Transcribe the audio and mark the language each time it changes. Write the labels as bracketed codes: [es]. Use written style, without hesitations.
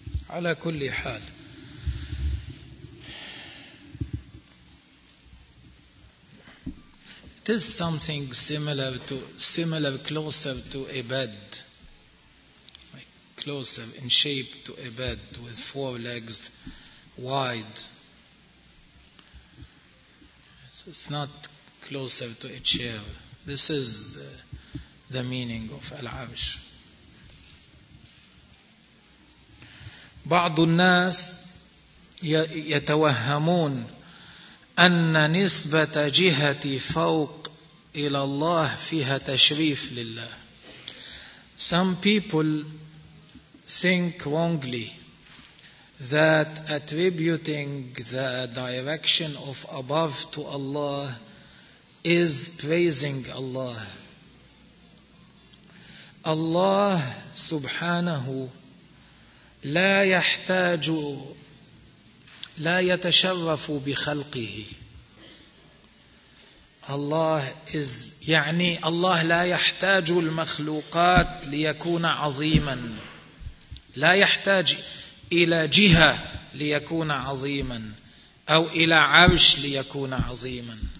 [ar] على كل حال, [en] it is something similar, closer to a bed, closer in shape to a bed with four legs wide. So it's not closer to a chair. This is the meaning of al-arsh. [ar] بعض الناس يتوهمون أن نسبة جهة فوق إلى الله فيها تشريف لله. [en] Some people think wrongly that attributing the direction of above to Allah is praising Allah. [ar] Allah سبحانه لا يحتاج, لا يتشرف بخلقه. الله [en] is, [ar] يعني الله لا يحتاج المخلوقات ليكون عظيما, لا يحتاج إلى جهة ليكون عظيما أو إلى عرش ليكون عظيما.